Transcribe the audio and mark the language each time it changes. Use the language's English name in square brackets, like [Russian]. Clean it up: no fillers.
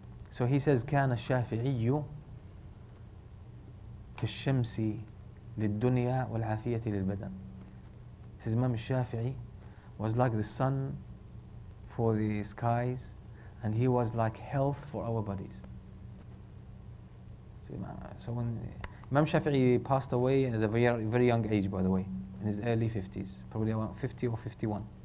[English] So he says, [Arabic] كان الشافعي كالشمس للدنيا والعافية للبدن. [English] His Imam Shafi'i was like the sun for the skies, and he was like health for our bodies. So when Imam Shafi'i passed away at a very, very young age, by the way, in his early 50s, probably about 50 or 51.